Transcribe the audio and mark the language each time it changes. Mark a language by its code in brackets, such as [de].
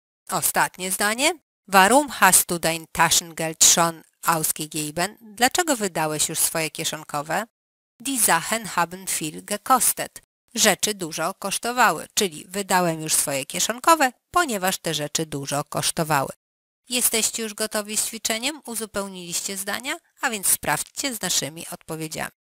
[pl] Ostatnie zdanie. [de] Warum hast du dein Taschengeld schon ausgegeben? [pl] Dlaczego wydałeś już swoje kieszonkowe? [de] Die Sachen haben viel gekostet. [pl] Rzeczy dużo kosztowały, czyli wydałem już swoje kieszonkowe, ponieważ te rzeczy dużo kosztowały. Jesteście już gotowi z ćwiczeniem? Uzupełniliście zdania? A więc sprawdźcie z naszymi odpowiedziami.